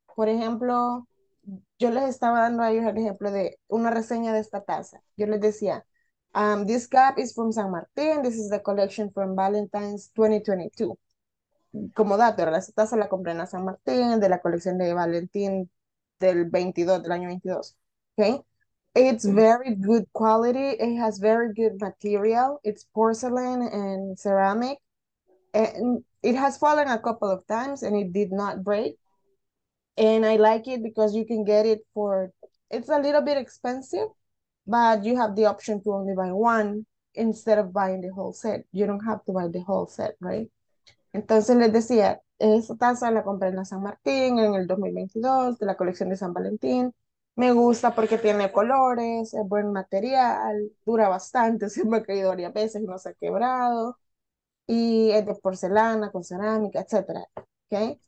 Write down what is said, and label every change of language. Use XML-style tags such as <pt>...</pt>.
<es>Por ejemplo, yo les estaba dando a ellos el ejemplo de una reseña de esta taza. Yo les decía,</es> <en>this cup is from San Martín, this is the collection from Valentine's 2022.</en> <es>Como dato, ¿verdad? Esta taza la compré en San Martín, de la colección de Valentín del 22, del año 22. ¿Ok?</es> <en>It's very good quality, it has very good material, it's porcelain and ceramic, and it has fallen a couple of times and it did not break. And I like it because you can get it for, it's a little bit expensive, but you have the option to only buy one instead of buying the whole set. You don't have to buy the whole set, right?</en> <es>Entonces les decía, esa taza la compré en la San Martín en el 2022, de la colección de San Valentín. Me gusta porque tiene colores, es buen material, dura bastante, se me ha caído varias veces y no se ha quebrado. Y es de porcelana, con cerámica, etcétera. ¿Okay?</es>